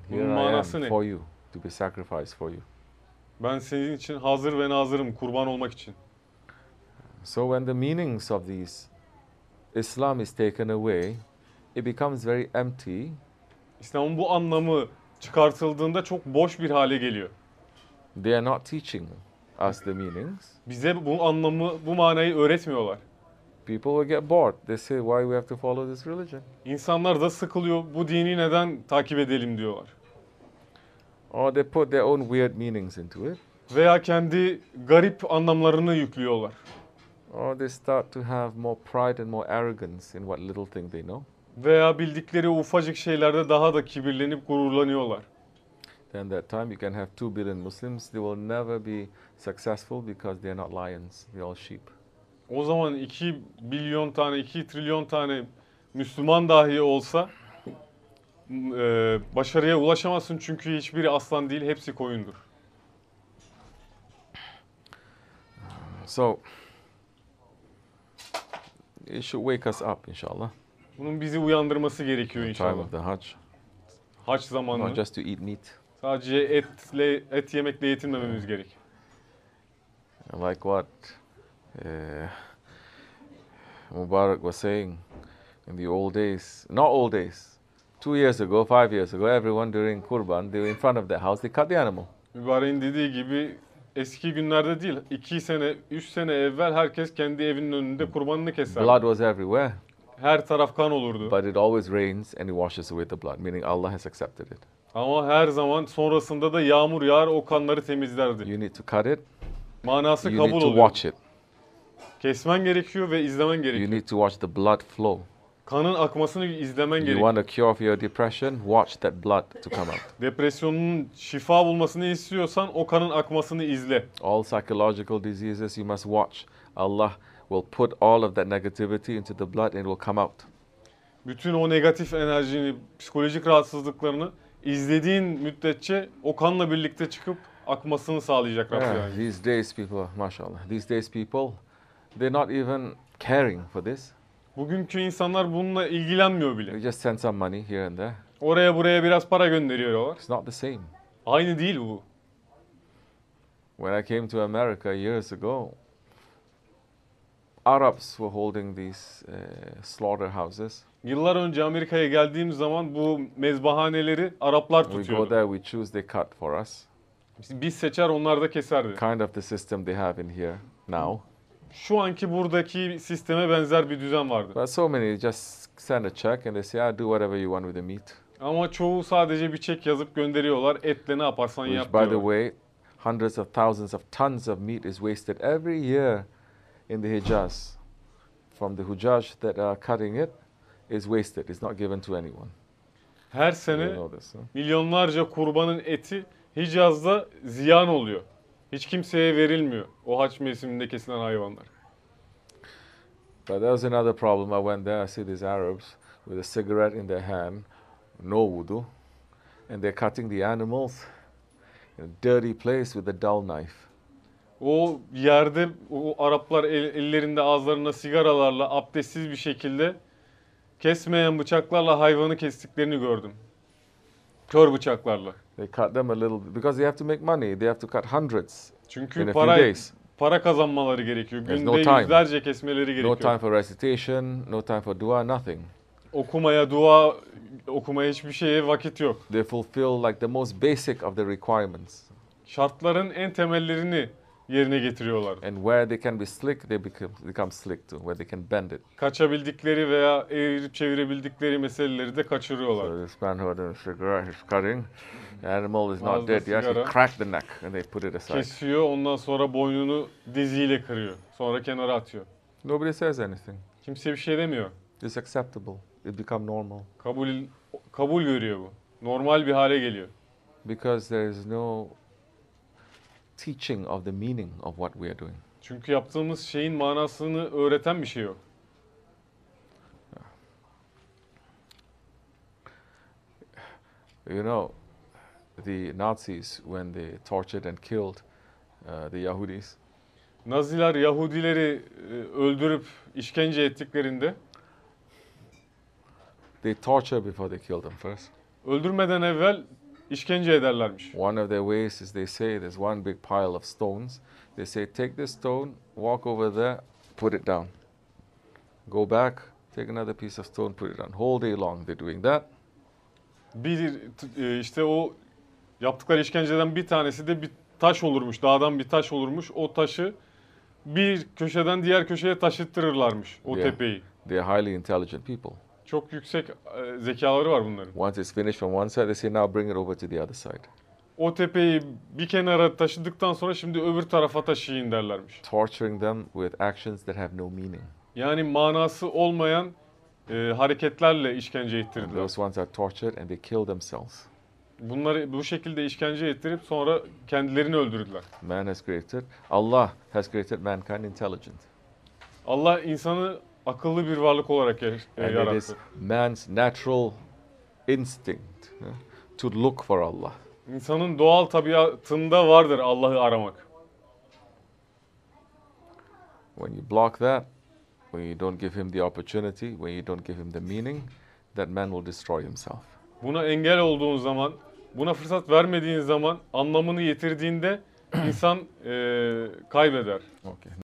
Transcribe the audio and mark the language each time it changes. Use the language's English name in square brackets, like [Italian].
[English] Here I am for you, to be sacrificed for you. [Turkish] Ben senin için hazır ve nazırım, kurban olmak için. [English] So when the meanings of these Islam is taken away, it becomes very empty. [Turkish] İslam'ın bu anlamı çıkartıldığında çok boş bir hale geliyor. [English] They are not teaching us the meanings. [Turkish] Bize bu anlamı, bu manayı öğretmiyorlar. [English] People will get bored. They say, why we have to follow this religion? [Turkish] İnsanlar da sıkılıyor. Bu dini neden takip edelim diyorlar. [English] Or they put their own weird meanings into it. [Turkish] Veya kendi garip anlamlarını yüklüyorlar. [English] Or they start to have more pride and more arrogance in what little thing they know. [Turkish] Veya bildikleri ufacık şeylerde daha da kibirlenip gururlanıyorlar. [English] Then that time you can have 2 billion Muslims. They will never be successful because they are not lions. They are sheep. [Turkish] O zaman 2 milyon tane, 2 trilyon tane Müslüman dahi olsa başarıya ulaşamazsın çünkü hiçbiri aslan değil, hepsi koyundur. [English] So, it should wake us up inşallah. [Turkish] Bunun bizi uyandırması gerekiyor inşallah. [English] Time of the Hajj. [Turkish] Hac zamanı. [English] Not just to eat meat. [Turkish] Sadece etle, et yemekle yetinmememiz gerek. [English] Like what? Mubarak was saying in the old days, not old days, 2 years ago, 5 years ago, everyone during Kurban, they were in front of their house, they cut the animal. [Turkish] Mubarak'ın dediği gibi eski günlerde değil, 2 sene, 3 sene evvel herkes kendi evinin önünde kurbanını keser. [English] Blood was everywhere. [Turkish] Her taraf kan olurdu. [English] But it always rains and it washes away the blood, meaning Allah has accepted it. [Turkish] Ama her zaman sonrasında da yağmur yağar, o kanları temizlerdi. [English] You need to cut it. [Turkish] Manası [English] you [Turkish] kabul [English] need to watch it. [Turkish] Kesmen gerekiyor ve izlemen gerekiyor. [English] You need to watch the blood flow. [Turkish] Kanın akmasını izlemen [English] you [Turkish] gerekiyor. [English] You want a cure for your depression? Watch that blood to come out. [Turkish] Depresyonun şifa bulmasını istiyorsan o kanın akmasını izle. [English] All psychological diseases you must watch. Allah will put all of that negativity into the blood and it will come out. [Turkish] Bütün o negatif enerjini, psikolojik rahatsızlıklarını izlediğin müddetçe o kanla birlikte çıkıp akmasını sağlayacak Rabbim. [English] Yeah, [Turkish] yani. [English] These days people, maşallah. These days people they're not even caring for this. [Turkish] Bugünkü insanlar bununla ilgilenmiyor bile. [English] They just send some money here and there. [Turkish] Oraya buraya biraz para gönderiyorlar. [English] It's not the same. [Turkish] Aynı değil bu. [English] When I came to America years ago, Arabs were holding these slaughterhouses. [Turkish] Yıllar önce Amerika'ya geldiğim zaman bu mezbahaneleri Araplar tutuyordu. [English] We go there, we choose, they cut for us. [Turkish] Biz seçer, onlar da keserdi. [English] Kind of the system they have in here now. [Turkish] Şu anki buradaki sisteme benzer bir düzen vardı. [English] But so many just send a check and they say, do whatever you want with the meat. [Turkish] Ama çoğu sadece bir çek yazıp gönderiyorlar, etle ne yaparsan yap diyorlar. [English] By the way, hundreds of thousands of tons of meat is wasted every year in the Hijaz. From the Hujaj that are cutting it, is wasted, it's not given to anyone. [Turkish] Her sene milyonlarca kurbanın eti Hicaz'da ziyan oluyor. Hiç kimseye verilmiyor o haç mevsiminde kesilen hayvanlar. [English] But there was another problem. I went there, I see these Arabs with a cigarette in their hand, no wudu, and they're cutting the animals in a dirty place with a dull knife. [Turkish] O yerde o Araplar ellerinde ağızlarında sigaralarla abdestsiz bir şekilde kesmeyen bıçaklarla hayvanı kestiklerini gördüm. Kör bıçaklarla. [English] They cut them a little because they have to make money. They have to cut hundreds. [Turkish] Çünkü [English] in a [Turkish] para, [English] few days. [Turkish] Para kazanmaları gerekiyor. Günde no yüzlerce kesmeleri gerekiyor. [English] No time for recitation, no time for dua, nothing. [Turkish] Okumaya, dua okumaya hiçbir şeye vakit yok. [English] They fulfill like the most basic of the requirements. [Turkish] Şartların en temellerini yerine getiriyorlar. [English] And where they can be slick, they become slick too. Where they can bend it. [Turkish] Kaçabildikleri veya evirip çevirebildikleri meseleleri de kaçırıyorlar. [English] So this man holding a cigarette, he's cutting. The animal is not dead yet. He cracked the neck and they put it aside. [Turkish] Kesiyor, ondan sonra boynunu diziyle kırıyor. Sonra kenara atıyor. [English] Nobody says anything. [Turkish] Kimse bir şey demiyor. [English] It's acceptable. It become normal. [Turkish] Kabul görüyor bu. Normal bir hale geliyor. [English] Because there is no teaching of the meaning of what we are doing. [Turkish] Çünkü yaptığımız şeyin manasını öğreten bir şey yok. [English] You know, the Nazis when they tortured and killed the Yahudis. [Turkish] Naziler Yahudileri öldürüp işkence ettiklerinde [English] They torture before they kill them first. [Turkish] Öldürmeden evvel işkence ederlermiş. [English] One of their ways is they say there's one big pile of stones. They say take this stone, walk over there, put it down. Go back, take another piece of stone, put it down. Whole day long they're doing that. [Turkish] Bir işte o yaptıkları işkenceden bir tanesi de bir taş olurmuş. Dağdan bir taş olurmuş. O taşı bir köşeden diğer köşeye taşıttırırlarmış o [English] yeah. [Turkish] tepeyi. [English] They're highly intelligent people. [Turkish] Çok yüksek zekaları var bunların. [English] Once it's finished from one side, they say now bring it over to the other side. [Turkish] O tepeyi bir kenara taşıdıktan sonra şimdi öbür tarafa taşıyın derlermiş. [English] Torturing them with actions that have no meaning. [Turkish] Yani manası olmayan hareketlerle işkence ettirdiler. [English] And those ones are tortured and they kill themselves. [Turkish] Bunları bu şekilde işkence ettirip sonra kendilerini öldürdüler. [English] Man has created, Allah has created mankind intelligent. [Turkish] Allah insanı akıllı bir varlık olarak yarattı. [English] And it is man's natural instinct to look for Allah. [Turkish] İnsanın doğal tabiatında vardır Allah'ı aramak. [English] When you block that, when you don't give him the opportunity, when you don't give him the meaning, that man will destroy himself. [Turkish] Buna engel olduğun zaman, buna fırsat vermediğin zaman, anlamını yitirdiğinde insan kaybeder. [English] Okay.